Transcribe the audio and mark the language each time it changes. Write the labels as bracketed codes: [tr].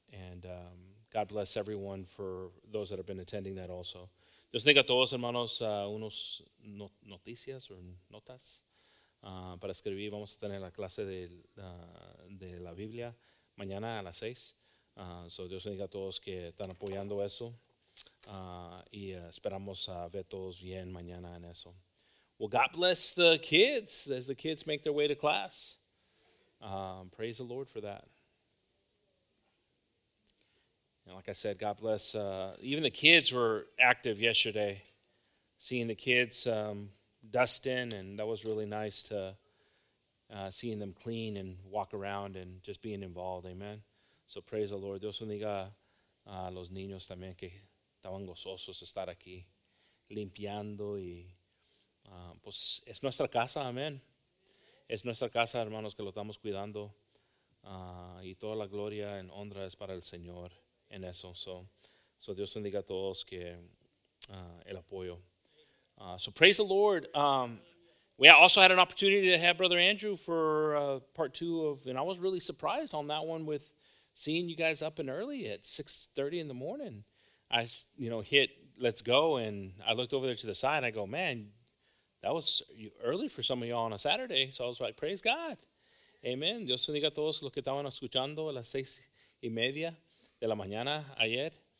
[en] And God bless everyone for those that have been attending that also. [es] Dios bendiga a todos, hermanos, unos noticias or notas. Para escribir, vamos a tener la clase de la Biblia mañana a las 6. So Dios bendiga a todos que están apoyando eso. Y esperamos ver todos bien mañana en eso. [en] Well, God bless the kids as the kids make their way to class. Praise the Lord for that. And like I said, God bless. Even the kids were active yesterday, seeing the kids dusting, and that was really nice to seeing them clean and walk around and just being involved. [es] Amen. [en] So praise the Lord. [es] Dios bendiga a los niños también que estaban gozosos de estar aquí limpiando y pues es nuestra casa, amén. Es nuestra casa, hermanos, que lo estamos cuidando. Y toda la gloria en honra es para el Señor en eso. So Dios bendiga a todos que el apoyo. [en] So praise the Lord. We also had an opportunity to have Brother Andrew for part two of, and I was really surprised on that one with seeing you guys up and early at 6:30 in the morning. I, you know, hit let's go, and I looked over there to the side, and I go, man, that was early for some of y'all on a Saturday. So I was like, praise God. Amen. [es] Dios bendiga a todos los que estaban escuchando a las 6:30 de la mañana ayer.